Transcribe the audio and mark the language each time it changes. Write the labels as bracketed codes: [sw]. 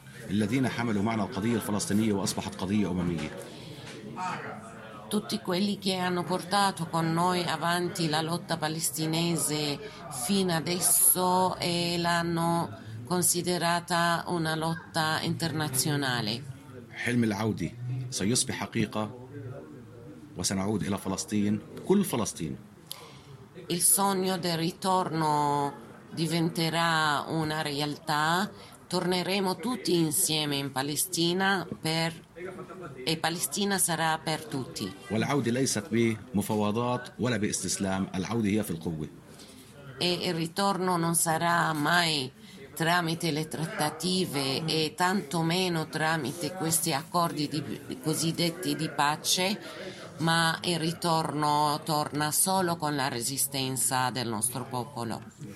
[ar] الذين حملوا معنى القضية الفلسطينية وأصبحت قضية أممية. [it] Tutti quelli che hanno portato con noi avanti la lotta palestinese fino adesso e l'hanno considerata una lotta internazionale. [ar] حلم العودة سيصبح حقيقة وسنعود إلى فلسطين، كل فلسطين. [it] Il sogno del ritorno diventerà una realtà. Torneremo tutti insieme in Palestina per e Palestina sarà per tutti. [ar] والعودة ليست بمفاوضات ولا باستسلام، العودة هي في القوة. [it] E il ritorno non sarà mai tramite le trattative e tantomeno tramite questi accordi di cosiddetti di pace, ma il ritorno torna solo con la resistenza del nostro popolo.